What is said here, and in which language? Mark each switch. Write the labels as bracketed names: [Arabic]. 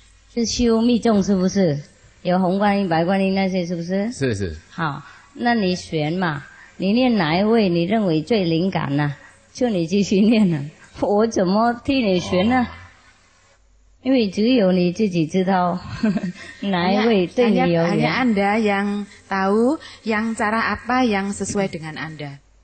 [Chinese] Siu mi zhong, 是不是? 有红观音、白观音那些，是不是? 是是。好, 那你选嘛, 你念哪一位你认为最灵感呢? 就你继续念呢, 我怎么替你选呢? 因为只有你自己知道 哪一位对你有缘 [Indonesian] hanya Anda yang tahu yang cara apa yang sesuai dengan Anda.